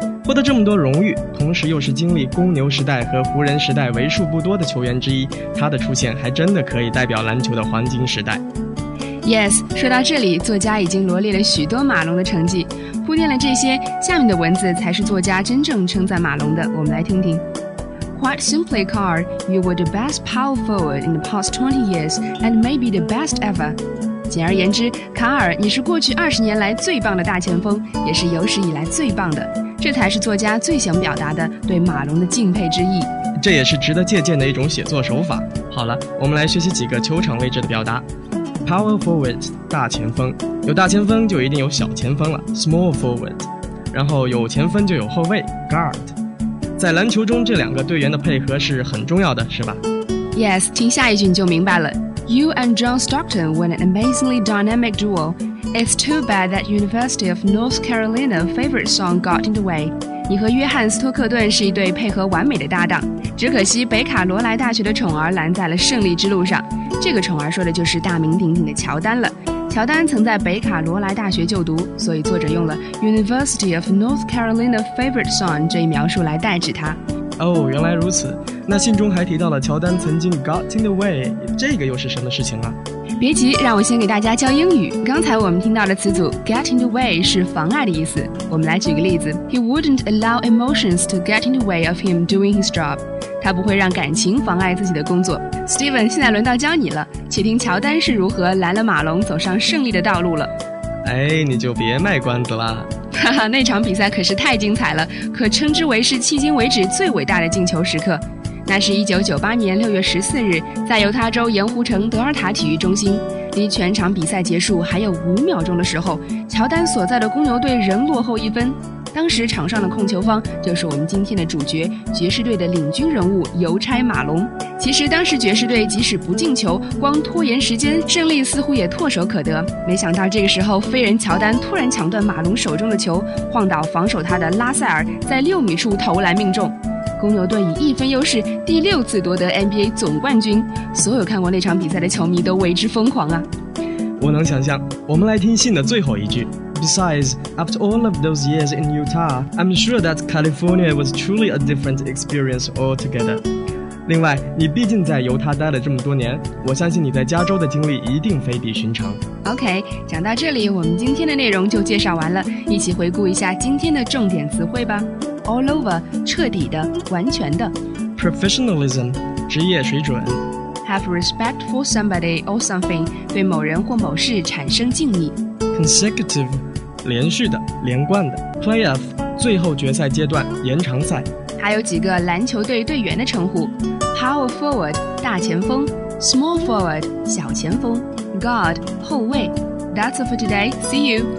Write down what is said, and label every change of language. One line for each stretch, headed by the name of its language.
Chinese: 获得这么多荣誉，同时又是经历公牛时代和湖人时代为数不多的球员之一，他的出现还真的可以代表篮球的黄金时代。 Yes， 说到这里，作家已经罗列了许多马龙的成绩，铺垫了这些，下面的文字才是作家真正称赞马龙的，我们来听听。
English: Quite simply, Carl, you were the best power forward in the past 20 years and maybe the best ever.
Chinese: 简而言之，卡尔，你是过去20年来最棒的大前锋，也是有史以来最棒的。这才是作家最想表达的对马龙的敬佩之意。这也是值得借鉴的一种写作手法。好了，我们来学习几个球场位置的表达。 Power forward， 大前锋。有大前锋就一定有小前锋了 ，small forward。然后有前锋就有后卫 ，guard。在篮球中，这两个队员的配合是很重要的，是吧？Yes， 听下一句你就明白了。
English: You and John Stockton were an amazingly dynamic duo. It's too bad that University of North Carolina favorite song got in the way.
Chinese: 你和约翰斯托克顿是一对配合完美的搭档，只可惜北卡罗来大学的宠儿拦在了胜利之路上。这个宠儿说的就是大名鼎鼎的乔丹了。乔丹曾在北卡罗来大学就读，所以作者用了 University of North Carolina favorite song 这一描述来代指他。哦，原来如此。那信中还提到了乔丹曾经
English: got in the way，
Chinese: 这个又是什么事情啊？别急，让我先给大家教英语。刚才我们听到的词组
English: get in the way
Chinese: 是妨碍的意思。我们来举个例子
English: ：He wouldn't allow emotions to get in the way of him doing his job。
Chinese: 他不会让感情妨碍自己的工作。Steven， 现在轮到教你了，且听乔丹是如何拦了马龙走上胜利的道路了。哎，你就别卖关子啦。哈哈，那场比赛可是太精彩了，可称之为是迄今为止最伟大的进球时刻。那是1998年6月14日，在犹他州盐湖城德尔塔体育中心，离全场比赛结束还有5秒钟的时候，乔丹所在的公牛队仍落后1分。当时场上的控球方就是我们今天的主角，爵士队的领军人物邮差马龙。其实当时爵士队即使不进球，光拖延时间，胜利似乎也唾手可得。没想到这个时候，飞人乔丹突然抢断马龙手中的球，晃倒防守他的拉塞尔，在6米处投篮命中。公牛队以1分优势第6次夺得 NBA 总冠军，所有看过那场比赛的球迷都为之疯狂啊！我能想象。我们来听信的最后一句。
English: Besides, after all of those years in Utah, I'm sure that California was truly a different experience altogether.
Chinese: 另外，你毕竟在犹他待了这么多年，我相信你在加州的经历一定非比寻常。 OK， 讲到这里，我们今天的内容就介绍完了，一起回顾一下今天的重点词汇吧。 All over， 彻底的，完全的。 Professionalism， 职业水准。
English: Have respect for somebody or something，
Chinese: 对某人或某事产生敬意。 Consecutive， 连续的，连贯的。Playoff， 最后决赛阶段，延长赛。还有几个篮球队队员的称呼 ：Power forward， 大前锋 ；Small forward， 小前锋 ；Guard， 后卫。
English: That's all for today. See you.